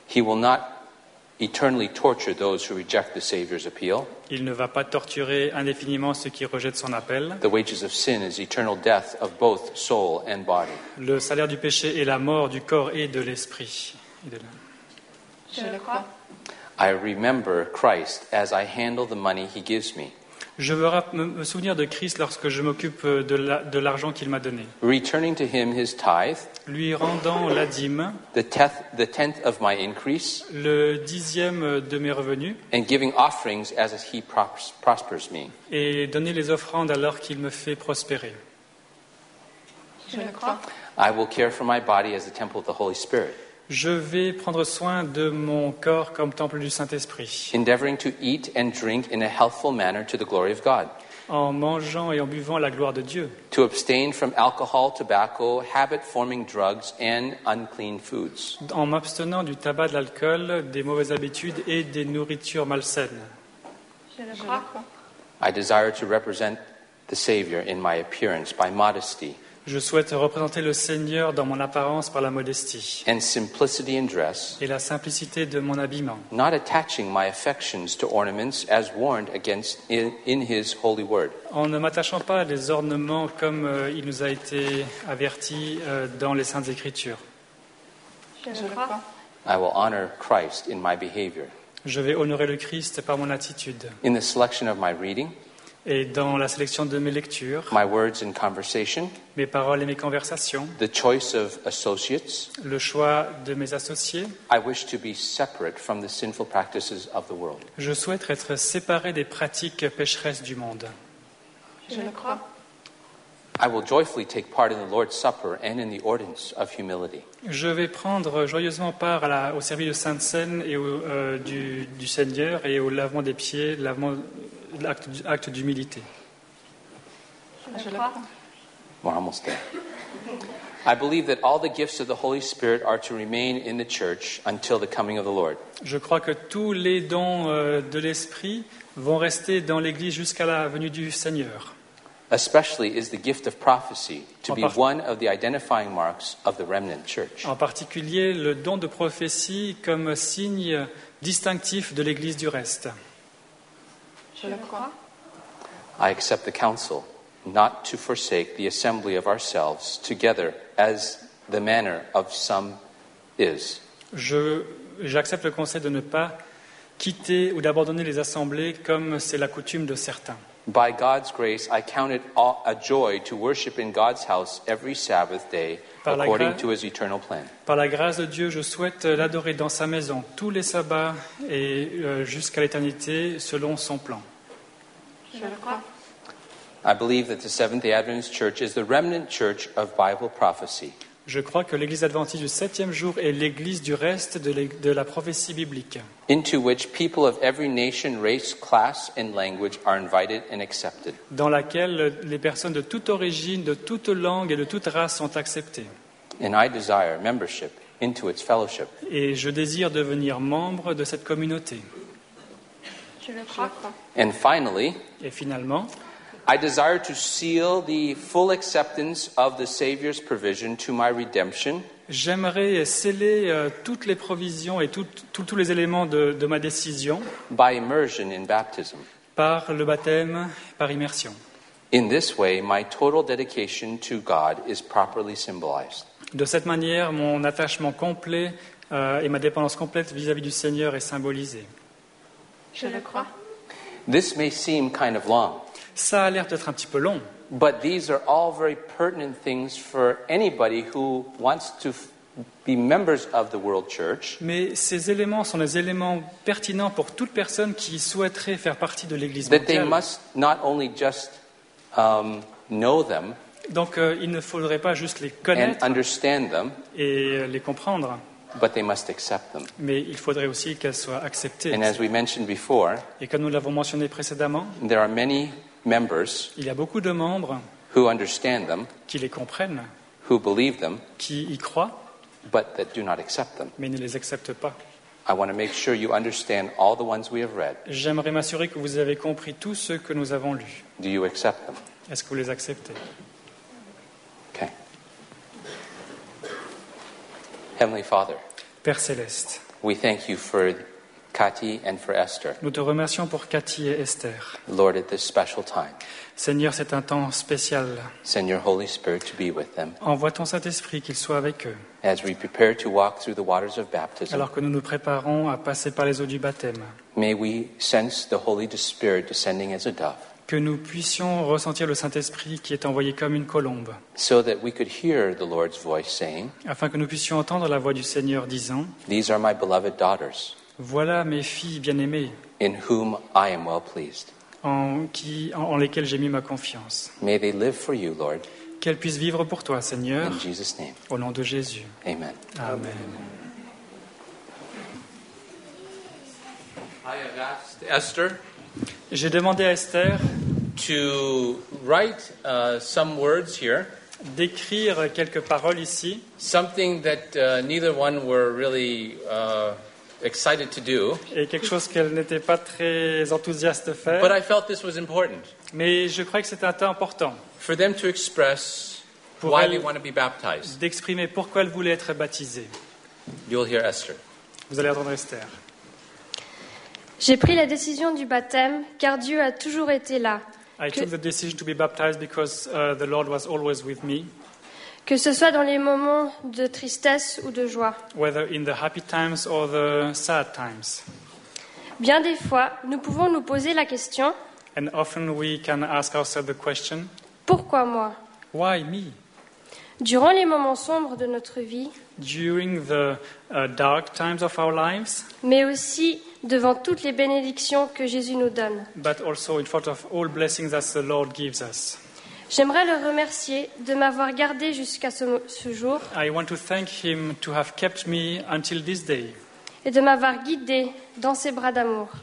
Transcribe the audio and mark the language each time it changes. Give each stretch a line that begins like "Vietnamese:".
English: He will not eternally torture those who reject the Savior's appeal.
French: Il ne va pas torturer indéfiniment ceux qui rejettent son appel.
English: The wages of sin is eternal death of both soul and body.
French: Le salaire du péché est la mort du corps et de l'esprit. Je le crois.
English: I remember Christ as I handle the money he gives me.
French: Je veux me souvenir de Christ lorsque je m'occupe de l'argent qu'il m'a donné.
English: Returning to him his tithe,
French: lui rendant la dîme,
English: the tenth of my increase,
French: le dixième de mes revenus,
English: and giving offerings as he prospers me.
French: Et donner les offrandes alors qu'il me fait prospérer. Je le crois.
English: I will care for my body as the temple of the Holy Spirit.
French: Je vais prendre soin de mon corps comme temple du Saint-Esprit.
English: Endeavoring to eat and drink in a healthful manner to the glory of God.
French: En mangeant et en buvant à la gloire de Dieu.
English: To abstain from alcohol, tobacco, habit-forming drugs and unclean foods.
French: En m'abstenant du tabac, de l'alcool, des mauvaises habitudes et des nourritures malsaines. Je le crois.
English: I desire to represent the Savior in my appearance by modesty.
French: Je souhaite représenter le Seigneur dans mon apparence par la modestie
English: and simplicity in dress,
French: et la simplicité de mon habillement.
English: Not attaching my affections to ornaments as warned against in his holy word.
French: En ne m'attachant pas à des ornements comme il nous a été averti dans les Saintes Écritures. Je le crois.
English: I will honor Christ in my behavior.
French: Je vais honorer le Christ par mon attitude.
English: In the selection of my reading.
French: Et dans la sélection de mes lectures,
English: my words and conversation,
French: mes paroles et mes conversations,
English: the choice of associates,
French: le choix de mes associés,
English: I wish to be separate from the sinful practices of the world.
French: Je souhaite être séparé des pratiques pécheresses du monde. Je le crois.
English: I will joyfully take part in the Lord's Supper and in the ordinance of humility.
French: Je vais prendre joyeusement part au service de Sainte-Cène et du Seigneur et au lavement des pieds, l'acte d'humilité. Je le crois.
English: We're almost there. I believe that all the gifts of the Holy Spirit are to remain in the church until the coming of the Lord.
French: Je crois que tous les dons de l'Esprit vont rester dans l'Église jusqu'à la venue du Seigneur.
English: Especially is the gift of prophecy to be one of the identifying marks of the remnant church.
French: En particulier, le don de prophétie comme signe distinctif de l'Église du reste. Je le crois.
English: I accept the counsel. not to forsake the assembly of ourselves together as the manner of some is.
French: J'accepte le conseil de ne pas quitter ou d'abandonner les assemblées comme c'est la coutume de certains.
English: By God's grace, I count it a joy to worship in God's house every Sabbath day according to his eternal plan.
French: Par la grâce de Dieu, je souhaite l'adorer dans sa maison tous les sabbats et jusqu'à l'éternité selon son plan. Je le crois.
English: I believe that the Seventh-day Adventist Church is the remnant church of Bible prophecy.
French: Je crois que l'Église adventiste du septième jour est l'Église du reste de la prophétie biblique.
English: Into which people of every nation, race, class, and language are invited and accepted.
French: Dans laquelle les personnes de toute origine, de toute langue et de toute race sont acceptées.
English: And I desire membership into its fellowship.
French: Et je désire devenir membre de cette communauté. Je le crois.
English: And finally.
French: Et finalement.
English: I desire to seal the full acceptance of the Savior's provision to my redemption.
French: J'aimerais sceller toutes les provisions et tous les éléments de ma décision.
English: By immersion in baptism.
French: Par le baptême, par immersion.
English: In this way, my total dedication to God is properly symbolized.
French: De cette manière, mon attachement complet et ma dépendance complète vis-à-vis du Seigneur est symbolisée. Je le crois.
English: This may seem kind of long.
French: Ça a l'air d'être un petit peu long.
English: But these are all very pertinent things for anybody who wants to be members of the world church.
French: Mais ces éléments sont des éléments pertinents pour toute personne qui souhaiterait faire partie de l'Église mondiale.
English: That they must not only just know them.
French: Donc il ne faudrait pas juste les connaître.
English: And understand them.
French: Et les comprendre.
English: But they must accept them.
French: Mais il faudrait aussi qu'elles soient acceptées.
English: And as we mentioned before.
French: Et comme nous l'avons mentionné précédemment.
English: There are many members.
French: Il y a beaucoup de membres
English: who understand them,
French: qui les comprennent,
English: who believe them,
French: qui y croient,
English: but that do not accept them.
French: Mais ne les acceptent pas.
English: I want to make sure you understand all the ones we have read.
French: J'aimerais m'assurer que vous avez compris tous ceux que nous avons lus.
English: Do you accept them?
French: Est-ce que vous les acceptez?
English: Okay. Heavenly Father.
French: Père céleste.
English: We thank you for Cathy and for Esther.
French: Nous te remercions pour Cathy et Esther.
English: Lord, at this special time.
French: Seigneur, c'est un temps spécial.
English: Send your Holy Spirit to be with them.
French: Envoie ton Saint-Esprit qu'il soit avec eux.
English: As we prepare to walk through the waters of baptism.
French: Alors que nous nous préparons à passer par les eaux du baptême.
English: May we sense the Holy Spirit descending as a dove.
French: Que nous puissions ressentir le Saint-Esprit qui est envoyé comme une colombe.
English: So that we could hear the Lord's voice saying.
French: Afin que nous puissions entendre la voix du Seigneur disant.
English: These are my beloved daughters.
French: Voilà mes filles bien-aimées.
English: In whom I am well pleased.
French: En lesquelles j'ai mis ma confiance.
English: May they live for you, Lord.
French: Qu'elles puissent vivre pour toi, Seigneur.
English: In Jesus' name.
French: Au nom de Jésus.
English: Amen.
French: Amen.
English: I have asked Esther.
French: J'ai demandé à Esther
English: to write some words here.
French: D'écrire quelques paroles ici.
English: Something that neither one were really excited to do.
French: Et quelque chose qu'elle n'était pas très enthousiaste de faire.
English: But I felt this was important.
French: Mais je crois que c'était un temps important.
English: For them to express
French: pour
English: why they want to be baptized.
French: D'exprimer pourquoi elle voulait être baptisée.
English: You'll hear Esther.
French: Vous allez entendre Esther. J'ai pris la décision du baptême car Dieu a toujours été là.
English: I took the decision to be baptized because the Lord was always with me.
French: Que ce soit dans les moments de tristesse ou de joie.
English: Whether in the happy times or the sad times.
French: Bien des fois, nous pouvons nous poser la question.
English: And often we can ask ourselves the question.
French: Pourquoi moi?
English: Why me?
French: Durant les moments sombres de notre vie.
English: During the dark times of our lives.
French: Mais aussi devant toutes les bénédictions que Jésus nous donne.
English: But also in front of all blessings that the Lord gives us.
French: J'aimerais le remercier de m'avoir gardé jusqu'à ce jour.
English: I want to thank him to have kept me until this day.
French: Et de m'avoir guidé dans ses bras d'amour.